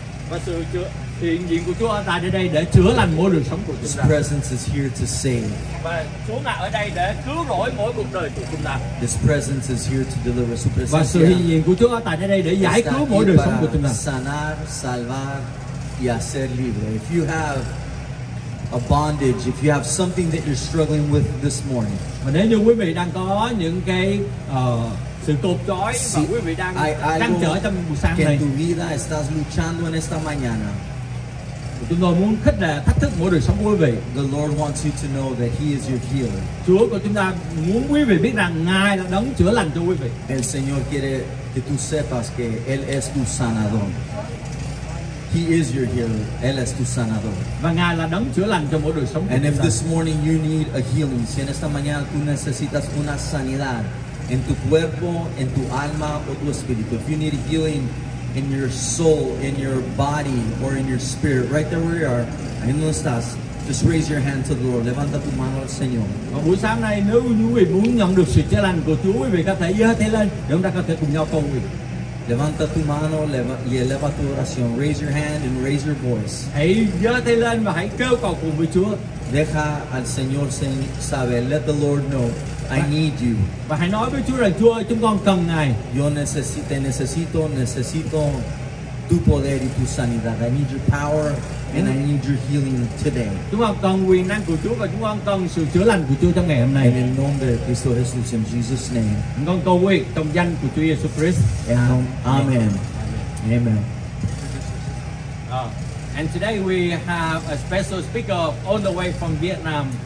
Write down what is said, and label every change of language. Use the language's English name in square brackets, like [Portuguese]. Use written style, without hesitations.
[Vietnamese] Và sự hiện diện của Chúa ở tại đây để chữa lành mỗi đời sống của chúng ta. [English] His presence is here to save. [Vietnamese] Và Chúa ngài ở đây để cứu rỗi mỗi cuộc đời của chúng ta. [English] His presence is here to deliver, su [Spanish] presencia. [Vietnamese] Và sự hiện diện của Chúa ở tại đây để giải cứu mỗi đời sống của chúng ta. [Spanish] Sanar, salvar y hacer libre. [English] If you have a bondage, if you have something that you're struggling with this morning. [Vietnamese] Mà nếu như quý vị đang có những cái sự cột trói và quý vị đang đang trở trong buổi sáng này. [Spanish] Que tu vida estás luchando en esta mañana. [Vietnamese] Chúng tôi muốn khích lệ thách thức mỗi đời sống quý vị. [English] The Lord wants you to know that He is your healer. [Vietnamese] Chúa của chúng ta muốn quý vị biết rằng Ngài là đấng chữa lành cho quý vị. [Spanish] El Señor quiere que tú sepas que Él es tu sanador. [English] He is your healer. [Spanish] Él es tu sanador. [Vietnamese] Và Ngài là đấng chữa lành cho mỗi đời sống. [English] And if this morning you need a healing, [Spanish] si en esta mañana tú necesitas una sanidad en tu cuerpo, en tu alma o tu espíritu. [English] If you need healing in your soul, in your body or in your spirit, right there where you are, [Spanish] ahí donde estás, [English] just raise your hand to the Lord. [Spanish] Levanta tu mano al Señor. [Vietnamese] Và buổi sáng nay nếu quý vị muốn nhận được sự chữa lành của Chúa, quý vị có thể giơ tay lên để chúng ta có thể cùng nhau cầu nguyện. [Spanish] Levanta tu mano y eleva tu oración. [English] Raise your hand and raise your voice. [Vietnamese] Hãy giơ tay lên và hãy kêu cầu cùng với Chúa. [Spanish] Deja al Señor saber. [English] Let the Lord know I need you. [Vietnamese] Và hãy nói với Chúa rằng Chúa ơi, chúng con cần Ngài. [Spanish] Yo necesito tu poder y tu sanidad. [English] I need your power and I need your healing today. [Vietnamese] Chúng con cần quyền năng của Chúa và chúng con cần sự chữa lành của Chúa trong ngày hôm nay. [English] In the name of Christ Jesus, in Jesus' name. [Vietnamese] Chúng con cầu nguyện trong danh của Chúa Jesus Christ. [English] Amen. Amen. And today we have a special speaker all the way from Vietnam.